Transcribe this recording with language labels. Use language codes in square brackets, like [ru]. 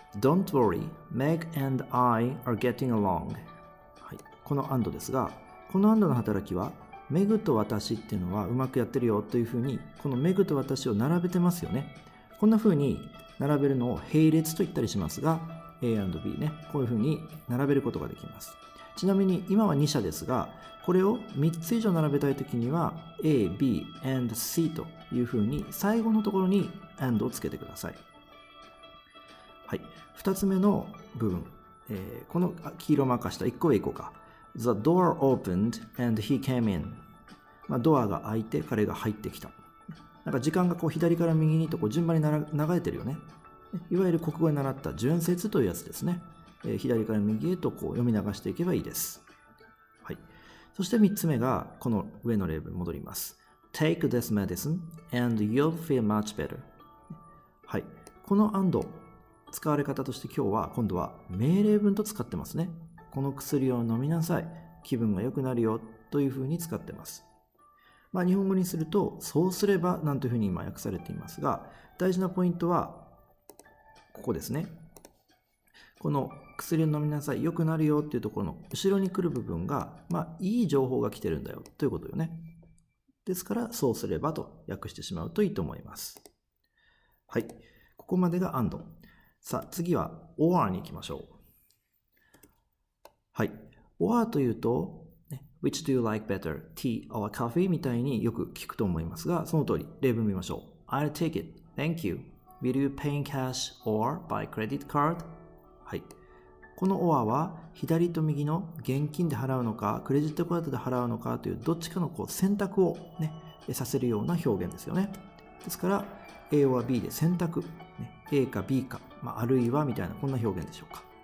[en] Don't worry, Meg and I are getting along。 [ja] この and ですが、この and の働きは、メグと私っていうのはうまくやってるよというふうに、このメグと私を並べてますよね。こんなふうに並べるのを並列と言ったりしますが、A and B ね、こういうふうに並べることができます。ちなみに今は2社ですが、これを3つ以上並べたいときには A、B、and C というふうに最後のところに and をつけてください。 2つ目の部分、この黄色マーカーした1個上行こうか。 [en] The door opened and he came in。 [ja] ドアが開いて彼が入ってきた。なんか時間がこう左から右にとこう順番に流れてるよね。いわゆる国語で習った順接というやつですね。左から右へとこう読み流していけばいいです。そして3つ目がこの上の例文に戻ります。 [en] Take this medicine and you'll feel much better。 [ja] この and 使われ方として、今日は今度は命令文と使ってますね。この薬を飲みなさい、気分が良くなるよというふうに使ってます。日本語にすると、そうすればなんというふうに今訳されていますが、大事なポイントは、ここですね。この薬を飲みなさい、良くなるよっていうところの後ろに来る部分が、いい情報が来てるんだよということよね。ですから、そうすればと訳してしまうといいと思います。ここまでが and。さあ、次は or に行きましょう。 or というと、 [en] Which do you like better, tea or coffee? [ja] みたいによく聞くと思いますが、その通り、例文見ましょう。 [en] I'll take it. Thank you. Will you pay in cash or by credit card? [ja] この or は、左と右の現金で払うのか、クレジットカードで払うのかという、どっちかのこう選択を、させるような表現ですよね。ですから、A or B で選択。A か B か、あるいはみたいな、こんな表現でしょうか。